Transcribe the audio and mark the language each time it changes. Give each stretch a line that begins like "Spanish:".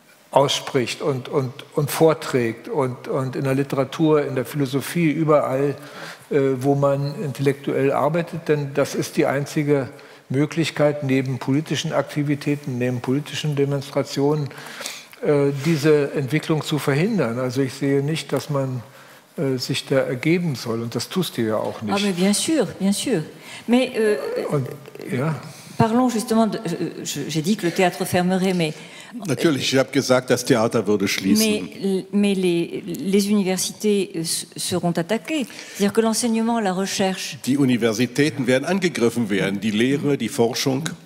German: ausspricht und vorträgt und in der Literatur, in der Philosophie, überall, wo man intellektuell arbeitet, denn das ist die einzige Möglichkeit, neben politischen Aktivitäten, neben politischen Demonstrationen, diese Entwicklung zu verhindern. Also ich sehe nicht, dass man sich da ergeben soll, und das tust du ja auch nicht.
French: Aber bien sûr, bien sûr. Mais,
German: und, ja.
French: Parlons justement de, j'ai dit que le théâtre fermerait, mais
German: natürlich, ich habe gesagt, das Theater würde schließen.
French: Mais les universités seront attaquées. C'est-à-dire que l'enseignement, la recherche.
German: Die Universitäten werden angegriffen werden, die Lehre, die Forschung.